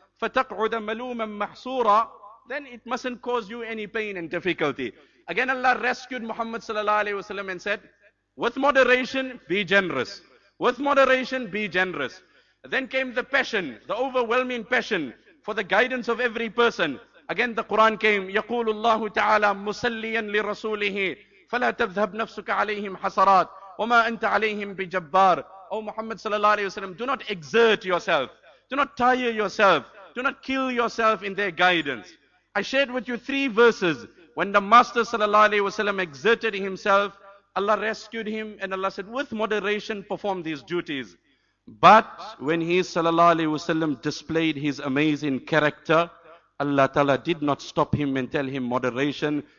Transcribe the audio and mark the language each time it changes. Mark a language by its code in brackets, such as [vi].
[ar] فَتَقْعُدَ مَلُومًا مَحْصُورًا [en] Then it mustn't cause you any pain and difficulty. Again, Allah rescued Muhammad sallallahu alayhi wasallam and said, with moderation, be generous. With moderation, be generous. Then came the passion, the overwhelming passion for the guidance of every person. Again, the Quran came, [ar] يَقُولُ اللَّهُ تَعَالَى مُسَلِّيًا لِرَسُولِهِ فَلَا تَذْهَبْ نَفْسُكَ عَلَيْهِمْ حَسَرَاتٍ وَمَا أَنْتَ عَلَيْهِمْ بِجَبَّارٍ [en] O Muhammad sallallahu alayhi wasallam, do not exert yourself. Do not tire yourself. Do not kill yourself in their guidance. I shared with you three verses. When the Master sallallahu alayhi wasallam exerted himself, Allah rescued him and Allah said, with moderation perform these duties. But when he sallallahu alayhi wasallam displayed his amazing character, Allah ta'ala did not stop him and tell him moderation.